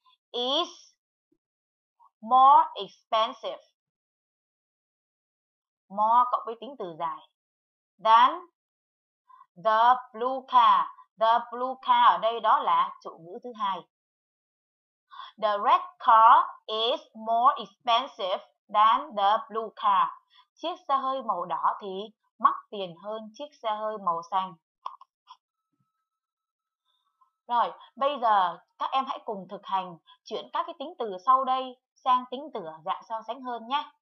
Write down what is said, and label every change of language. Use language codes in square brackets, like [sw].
[en] Is more expensive. More [vi] cộng với tính từ dài. [en] Than the blue car. The blue car [vi] ở đây đó là chủ ngữ thứ hai. [en] The red car is more expensive than the blue car. [vi] Chiếc xe hơi màu đỏ thì mắc tiền hơn chiếc xe hơi màu xanh. Rồi, bây giờ các em hãy cùng thực hành chuyển các cái tính từ sau đây sang tính từ ở dạng so sánh hơn nhé.